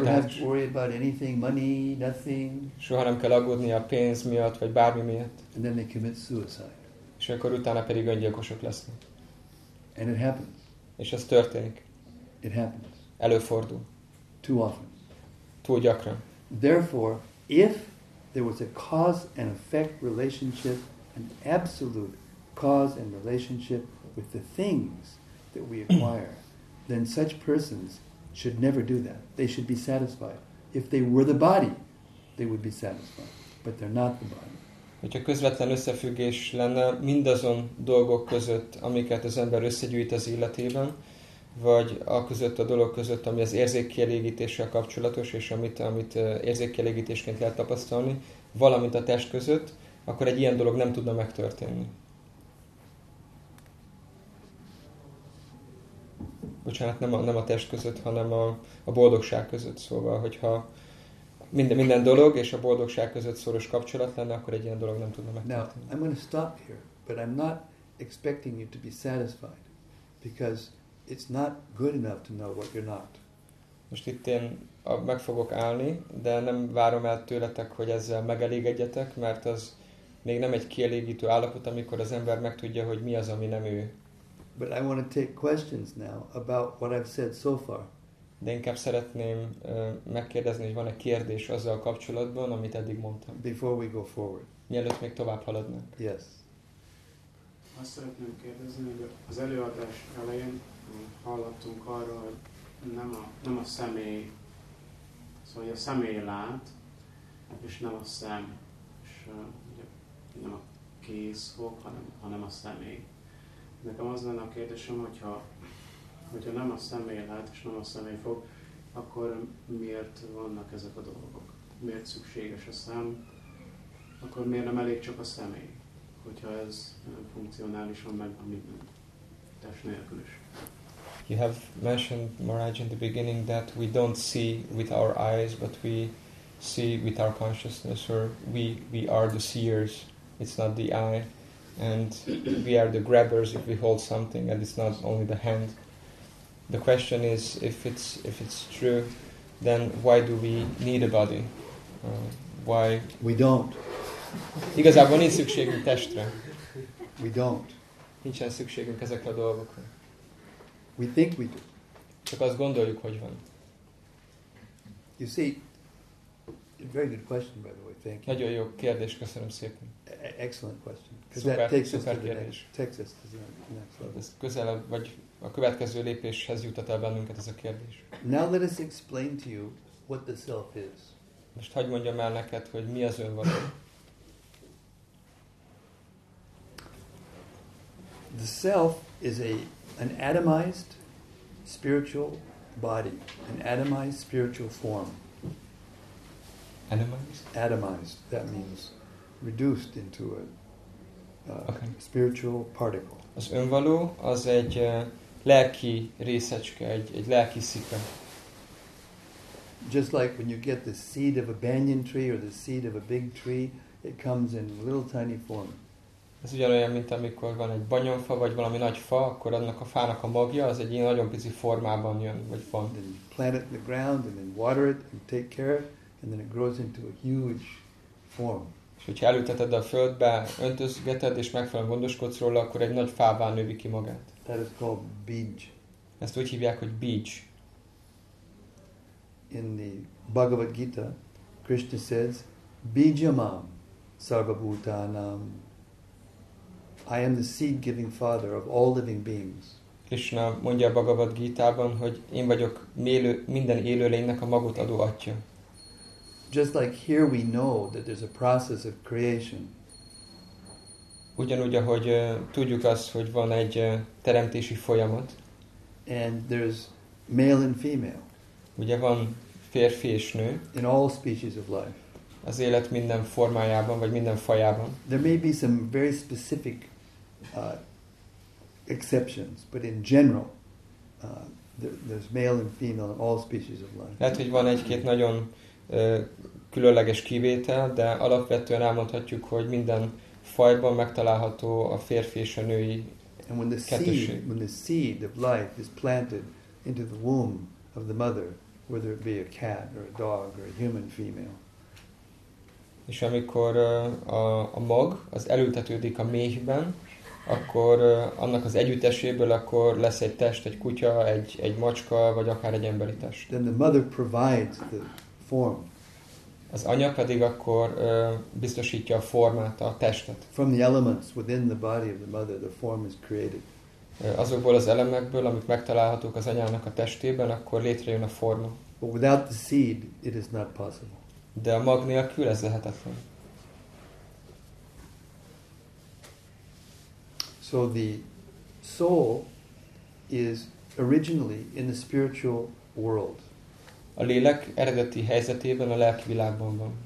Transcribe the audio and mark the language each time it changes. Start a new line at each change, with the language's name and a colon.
English: Never have to worry about anything, money, nothing.
Hungarian: Soha nem kell aggódni a pénz miatt, vagy bármi miatt.
English: And then they commit suicide.
Hungarian: És akkor utána pedig öngyilkosok lesznek.
English: And it happens.
Hungarian: És ez történik.
English: It happens.
Hungarian: Előfordul.
English: Too often.
Hungarian: Túl gyakran.
English: Therefore, if there was a cause and effect relationship, an absolute cause and relationship with the things that we acquire, then such persons should never do that. They should be satisfied. If they were the body, they would be satisfied. But they're not the body.
Hungarian: Hogyha közvetlen összefüggés lenne mindazon dolgok között, amiket az ember összegyűjt az életében, vagy a között a dolog között, ami az érzékkielégítéssel kapcsolatos, és amit érzékkielégítésként lehet tapasztalni, valamint a test között, akkor egy ilyen dolog nem tudna megtörténni. Bocsánat, nem a test között, hanem a boldogság között. Szóval, hogyha minden dolog és a boldogság között szoros kapcsolat lenne, akkor egy ilyen dolog nem tudna megtartani.
English: Now, I'm going to stop here, but I'm not expecting you to be satisfied, because it's not good enough to know what you're not.
Hungarian: Most itt én meg fogok állni, de nem várom el tőletek, hogy ezzel megelégedjetek, mert az még nem egy kielégítő állapot, amikor az ember megtudja, hogy mi az, ami nem ő.
English: But I want to take questions now about what I've said so far.
Hungarian: De inkább szeretném megkérdezni, hogy van-e kérdés azzal kapcsolatban, amit eddig mondtam.
English: Before we go forward.
Hungarian: Mielőtt még tovább haladnak.
English: Yes.
Hungarian: Azt szeretném kérdezni, hogy az előadás elején hallottunk arról, hogy nem a személy, szóval a személy lát, és nem a szem, és nem a kéz fog, hanem a személy. Nekem az lenne a kérdésem, hogyha hogyha nem a személy lát és nem a személy fog, akkor miért vannak ezek a dolgok? Miért szükséges a szem? Akkor miért nem elég csak a személy, hogyha ez funkcionálisan megvan minden test nélkül is?
English: You have mentioned, Maharaj, in the beginning that we don't see with our eyes, but we see with our consciousness, or we are the seers, it's not the eye, and we are the grabbers if we hold something, and it's not only the hand. The question is, if it's true, then why do we need a body? Why? We don't.
Hungarian: Igazából nincs szükségünk testre.
English: We don't.
Hungarian: Nincsen szükségünk ezekre a dolgokra.
English: We think we do.
Hungarian: Csak azt gondoljuk, hogy van.
English: You see, very good question, by the way. Thank you.
Hungarian: Nagyon jó kérdés, köszönöm szépen.
English: Excellent question. Because that takes us to the next level.
Hungarian: Közelebb, vagy a következő lépéshez jutat el bennünket ez a kérdés.
English: Now let us explain to you what the self is.
Hungarian: Most hagyd mondjam el neked, hogy mi az önvaló.
English: The self is an atomized spiritual body, an atomized spiritual form. Atomized, that means reduced into a spiritual particle.
Hungarian: Az önvaló az egy lelki részecske, egy lelki szika.
English: Just like when you get the seed of a banyan tree or the seed of a big tree, it comes in a little tiny form.
Hungarian: Ez ugyanolyan, mint amikor van egy banyonfa, vagy valami nagy fa, akkor annak a fának a magja, az egy ilyen nagyon pici formában jön, vagy van.
English: Then you plant it in the ground, and then water it, and take care of it, and then it grows into a huge form.
Hungarian: És hogyha elülteted a földbe, öntözgeted, és megfelelően gondoskodsz róla, akkor egy nagy fává növi ki magát.
English: That is called bij.
Hungarian: Ezt úgy hívják, hogy bij.
English: In the Bhagavad Gita, Krishna says,
Sanskrit: Bijamam sarvabhutanam.
English: I am the seed giving father of all living beings.
Hungarian: Krishna mondja a Bhagavad Gita-ban, hogy én vagyok minden élőlénynek a magot adó atya.
English: Just like here we know that there's a process of creation.
Hungarian: Ugyanúgy, ahogy tudjuk azt, hogy van egy teremtési folyamat.
English: And there's male and female.
Hungarian: Ugye van férfi és nő.
English: In all species of life.
Hungarian: Az élet minden formájában vagy minden fajában.
English: There may be some very specific exceptions, but in general, there's male and female in all species of life.
Hungarian: Lehet, hogy van egy-két nagyon különleges kivétel, de alapvetően elmondhatjuk, hogy minden fajban megtalálható a férfi és a női kettőség.
English: When the seed of life is planted into the womb of the mother, whether it be a cat or a dog or a human female.
Hungarian: És amikor a mag az elültetődik a méhben, akkor annak az együtteséből akkor lesz egy test, egy kutya, egy macska, vagy akár egy emberi test.
English: Then the mother provides the form.
Hungarian: Az anya pedig akkor biztosítja a formát, a testet.
English: From the elements within the body of the mother, the form is created.
Hungarian: Azokból az elemekből, amik megtalálhatók az anyának a testében, akkor létrejön a forma.
English: But without the seed, it is not possible.
Hungarian: De a mag nélkül ez lehetetlen.
English: So the soul is originally in the spiritual world.
Hungarian: A lélek eredeti helyzetében a lelki világban van.